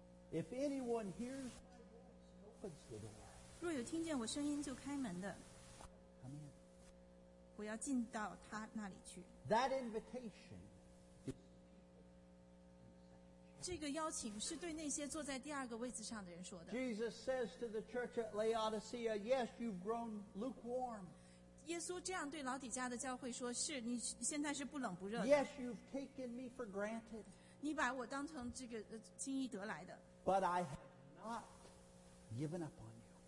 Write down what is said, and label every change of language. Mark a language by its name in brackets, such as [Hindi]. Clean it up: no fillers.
[English] If anyone hears my voice and opens the door, [Chinese] 若有听见我声音就开门的。” 我要进到他那里去。 [English] That invitation. [Chinese] 这个邀请是对那些坐在第二个位置上的人说的。 [English] Jesus says to the church at Laodicea, "Yes, you've grown lukewarm." [Chinese] 耶稣这样对老底家的教会说：“是你现在是不冷不热的。 [English] ”Yes, you've taken me for granted. [Chinese] 你把我当成这个轻易得来的。 [English] But I have not given up on you.